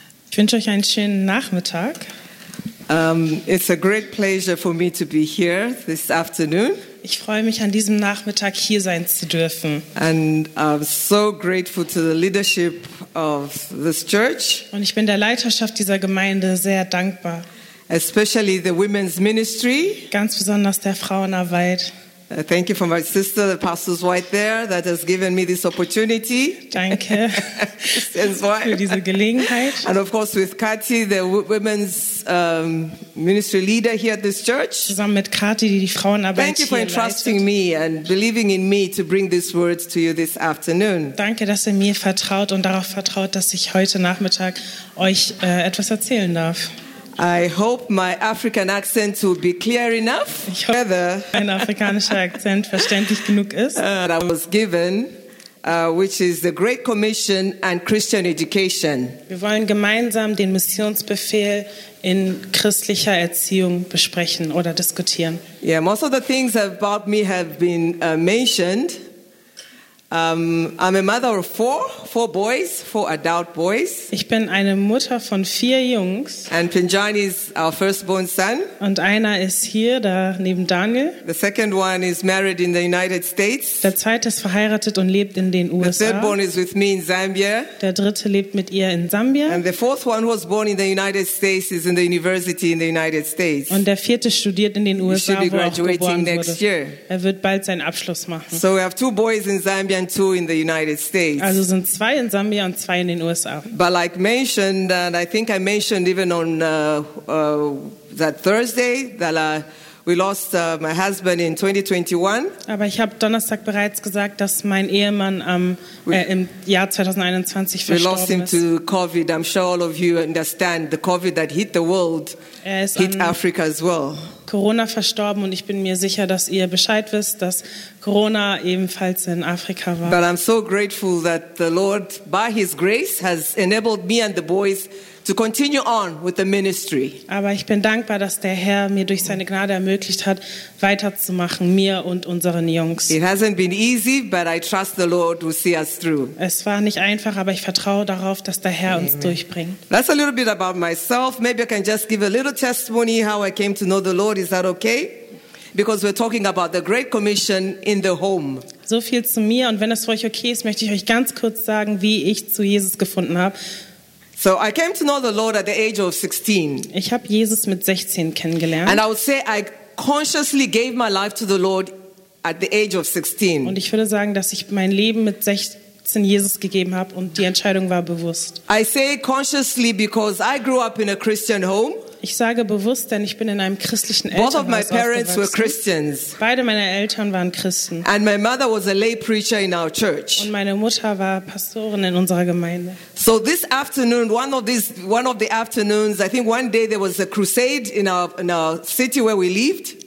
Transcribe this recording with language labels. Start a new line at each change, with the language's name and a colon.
German: Ich wünsche euch einen schönen Nachmittag.
English: It's a great pleasure for me to be here this afternoon.
German: Ich freue mich, an diesem Nachmittag hier sein zu dürfen.
English: And I'm so grateful to the leadership of this church.
German: Und ich bin der Leiterschaft dieser Gemeinde sehr dankbar.
English: Especially the women's ministry.
German: Ganz besonders der Frauenarbeit.
English: Thank you for my sister, the pastor's wife there, that has given me this opportunity.
German: Danke für diese Gelegenheit.
English: And of course with Kathy, the women's ministry leader here at this church.
German: Zusammen mit Kathy, die Frauenarbeit hier leitet.
English: Thank you for entrusting me and believing in me to bring these words to you this afternoon.
German: Danke, dass ihr mir vertraut und darauf vertraut, dass ich heute Nachmittag euch etwas erzählen darf.
English: I hope my African accent will be clear enough.
German: Ich hoffe, mein afrikanischer Akzent verständlich genug ist.
English: That I was given, which is the Great Commission and Christian Education.
German: Wir wollen gemeinsam den Missionsbefehl in christlicher Erziehung besprechen oder diskutieren.
English: Yeah, most of the things about me have been mentioned. I'm a mother of four adult boys.
German: Ich bin eine Mutter von vier Jungs.
English: And Pinjani is our firstborn son.
German: Und einer ist hier, da neben Daniel.
English: The second one is married in the United States.
German: Der zweite ist verheiratet und lebt in den USA.
English: The third born is with me in Zambia.
German: Der dritte lebt mit ihr in Sambia.
English: And the fourth one was born in the United States is in the university in the United States.
German: Und der vierte studiert in den USA, wo er auch geboren wurde. Er wird bald seinen Abschluss machen.
English: So we have two boys in Zambia. And two in the United States.
German: Also sind zwei in Sambia und zwei in den USA.
English: But like mentioned, and I think I mentioned even on that Thursday that we lost my husband in 2021.
German: Aber ich habe Donnerstag bereits gesagt, dass mein Ehemann im Jahr 2021 verstorben ist.
English: We lost him to COVID. I'm sure all of you understand the COVID that hit the world hit Africa as well.
German: Corona verstorben und ich bin mir sicher, dass ihr Bescheid wisst, dass Corona ebenfalls in Afrika war.
English: But I'm so grateful that the Lord by his grace has enabled me and the boys to continue on with the ministry.
German: Aber ich bin dankbar, dass der Herr mir durch seine Gnade ermöglicht hat, weiterzumachen, mir und unseren Jungs.
English: It hasn't been easy, but I trust the Lord will see us through.
German: Es war nicht einfach, aber ich vertraue darauf, dass der Herr uns durchbringt.
English: That's a little bit about myself. Maybe I can just give a little testimony how I came to know the Lord. Is that okay? Because we're talking about the Great Commission in the home.
German: So viel zu mir, und wenn es für euch okay ist, möchte ich euch ganz kurz sagen, wie ich zu Jesus gefunden habe.
English: So I came to know the Lord at the age of 16.
German: Ich habe Jesus mit 16 kennengelernt.
English: And I would say I consciously gave my life to the Lord at the age of 16.
German: Und ich würde sagen, dass ich mein Leben mit 16 Jesus gegeben habe und die Entscheidung war bewusst.
English: I say consciously because I grew up in a Christian home.
German: Ich sage bewusst, denn ich bin in einem christlichen Elternhaus
English: Both of my parents were Christians.
German: Beide meiner Eltern waren Christen.
English: And my mother was a lay preacher in our church.
German: Und meine Mutter war Pastorin in unserer Gemeinde.
English: So this afternoon, one of the afternoons, I think one day there was a crusade in our city where we lived.